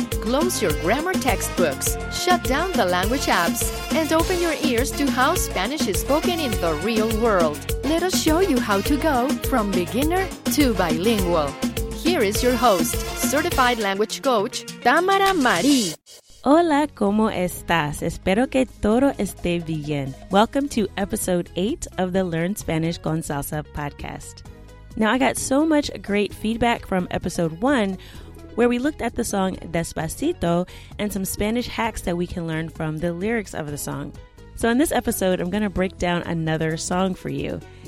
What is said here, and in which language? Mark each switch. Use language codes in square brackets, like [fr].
[en] Close your grammar textbooks, shut down the language apps, and open your ears to how Spanish is spoken in the real world. Let us show you how to go from beginner to bilingual. Here is your host, certified language coach, Tamara Marie. [es] Hola, ¿cómo estás? Espero que todo esté bien. [en] Welcome to episode 8 of the Learn Spanish con Salsa podcast. Now, I got so much great feedback from episode 1, where we looked at the song Despacito and some Spanish hacks that we can learn from the lyrics of the song. So in this episode, I'm going to break down another song for you.